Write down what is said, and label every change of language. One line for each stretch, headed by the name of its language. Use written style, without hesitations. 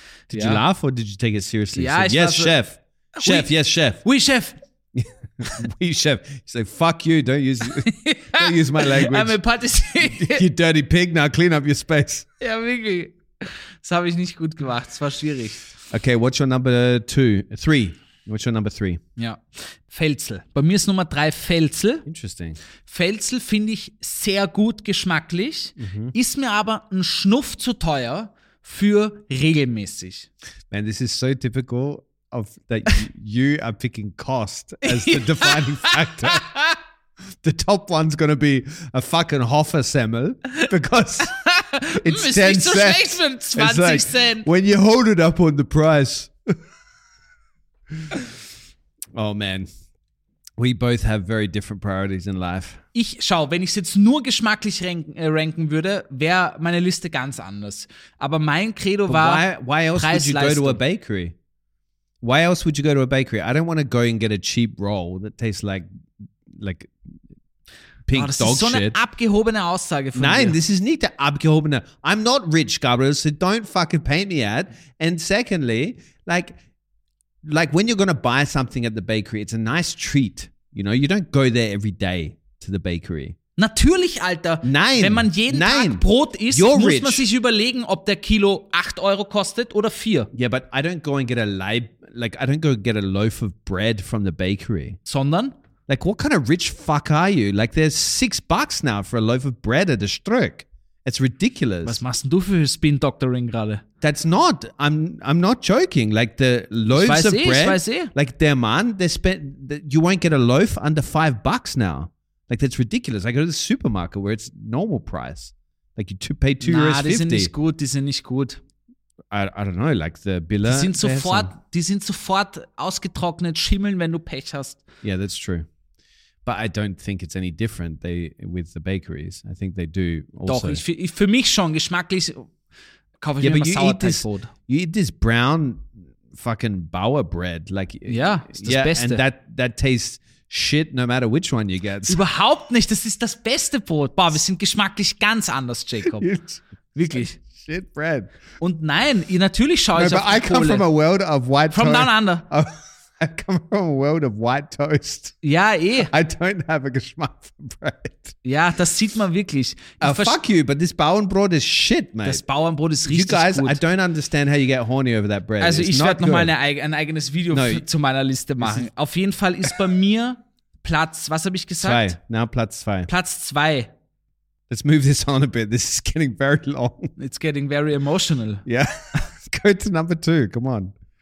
English: Did you laugh or did you take it seriously? Ja, said, yes, chef. So, chef, yes, chef.
French: Oui, chef. Oui, chef.
English: He's like, fuck you, don't use my language. I'm a patissier. You dirty pig, now clean up your space.
German: Ja, wirklich. Das habe ich nicht gut gemacht, es war schwierig.
English: Okay, what's your number three? What's your number three?
German: Ja, Felzel. Bei mir ist Nummer 3 Felzel.
English: Interesting.
German: Felzel finde ich sehr gut geschmacklich, ist mir aber ein Schnuff zu teuer für regelmäßig.
English: Man, this is so typical of that you are picking cost as the defining factor. The top one's gonna be a fucking Hoffersemmel because it's 10 cents.
German: Ist nicht so schlecht für 20 Cent.
English: When you hold it up on the price. Oh man, we both have very different priorities in life.
German: Wenn ich es jetzt nur geschmacklich ranken würde, wäre meine Liste ganz anders. Aber mein Credo war Preis-Leistung.
English: Why else would you go to a bakery? Why else would you go to a bakery? I don't want to go and get a cheap roll that tastes like pink dog shit.
German: Das ist so eine abgehobene Aussage von mir. Nein,
English: this is
German: nicht eine abgehobene.
English: I'm not rich, Gabriel, so don't fucking paint me at. And secondly, like when you're going to buy something at the bakery, it's a nice treat. You know, you don't go there every day to the bakery.
German: Natürlich, Alter. Nein. Wenn man jeden Tag Brot isst, muss man sich überlegen, ob der Kilo 8 Euro kostet oder 4.
English: Yeah, but I don't go and get a loaf of bread from the bakery.
German: Sondern?
English: Like what kind of rich fuck are you? Like there's $6 now for a loaf of bread at the Ströck. It's ridiculous.
German: Was machst du für Spin Doctoring gerade?
English: That's not. I'm not joking. Like the loaves of bread. Like
German: der Mann,
English: you won't get a loaf under $5 now. Like that's ridiculous. I go to the supermarket where it's normal price. Like you pay €2.50.
German: Nah, die sind nicht gut.
English: I don't know. Like the Biller.
German: Die sind sofort ausgetrocknet, schimmeln, wenn du Pech hast.
English: Yeah, that's true. But I don't think it's any different with the bakeries. I think they do also.
German: Doch, für mich schon. Geschmacklich kaufe ich immer Sauerteigbrot.
English: You eat this brown fucking Bauer bread. Like,
German: Ist das Beste.
English: And that tastes shit no matter which one you get.
German: Überhaupt nicht. Das ist das beste Brot. Boah, wir sind geschmacklich ganz anders, Jacob. Wirklich.
English: Shit bread.
German: Und nein, natürlich schaue ich auf die Kohle.
English: But I come from a world of white from down under. I come from a world of white toast.
German: Ja,
English: I don't have a Geschmack for bread.
German: Ja, das sieht man wirklich.
English: Fuck you, but this Bauernbrot is shit, mate.
German: Das Bauernbrot ist richtig
English: gut. You guys,
German: gut.
English: I don't understand how you get horny over that bread.
German: Also
English: it's
German: ich werde nochmal ein eigenes Video zu meiner Liste machen. Auf jeden Fall ist bei mir Platz, was habe ich gesagt? Platz 2. Platz 2.
English: Let's move this on a bit. This is getting very long. It's getting very emotional. Yeah. Go to number two. Come on.